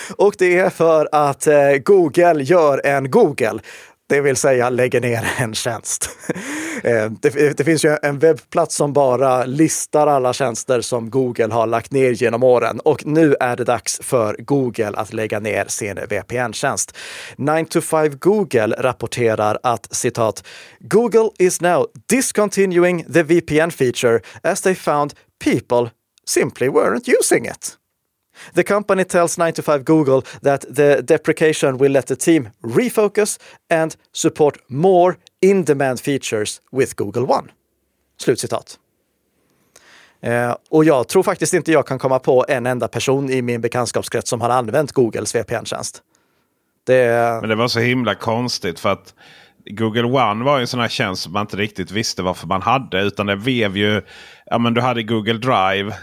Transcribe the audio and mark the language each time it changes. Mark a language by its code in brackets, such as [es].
[sv] Och det är för att Google gör en Google. Det vill säga lägger ner en tjänst. Det finns ju en webbplats som bara listar alla tjänster som Google har lagt ner genom åren. Och nu är det dags för Google att lägga ner sin VPN-tjänst. [en] 9to5 Google [sv] rapporterar att, citat, [en] "Google is now discontinuing the VPN feature as they found people simply weren't using it. The company tells 9to5 Google that the deprecation will let the team refocus and support more in-demand features with Google One." [sv] Slutcitat. Och jag tror faktiskt inte jag kan komma på en enda person i min bekantskapskrets som har använt Googles VPN-tjänst. Men det var så himla konstigt, för att Google One var ju en sån här tjänst som man inte riktigt visste varför man hade, utan det blev ju, ja men du hade Google Drive.